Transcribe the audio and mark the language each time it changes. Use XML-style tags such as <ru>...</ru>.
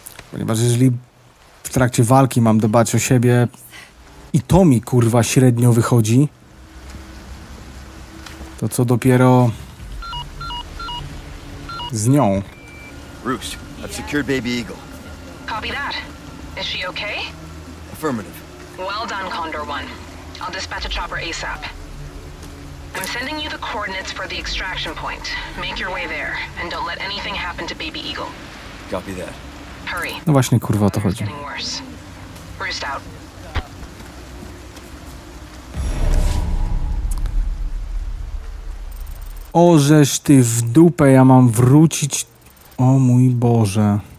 <pl>Ponieważ jeżeli w trakcie walki mam dbać o siebie i to mi kurwa średnio wychodzi, to co dopiero Z nią.</pl> <en>Roost, I've secured Baby Eagle. Copy that. Is she okay? Affirmative. Well done, Condor One. I'll dispatch a chopper ASAP. I'm sending you the coordinates for the extraction point. Make your way there and don't let anything happen to Baby Eagle. Copy that. Hurry.</en> <pl>No właśnie, kurwa, o to chodzi.</pl> <en>Roost out.</en> <pl>O, żeś ty w dupę, ja mam wrócić. O mój Boże.</pl>